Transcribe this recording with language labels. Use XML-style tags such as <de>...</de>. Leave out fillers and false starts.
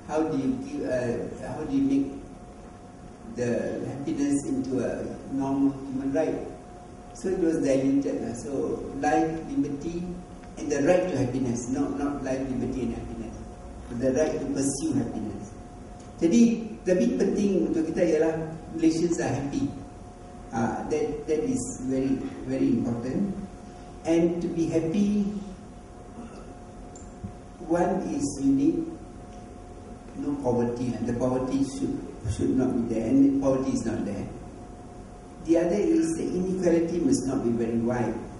<en>How do you make the happiness into a normal human right? So it was diluted. So life, liberty, and the right to happiness. Not life, liberty, and happiness. But the right to pursue happiness.</en> <ms>Jadi, tapi penting untuk kita ialah relations are happy.</ms> <en>That is very, very important. And to be happy, one is you need no poverty. And the poverty should not be there, and poverty is not there. The other is the inequality must not be very wide.</en>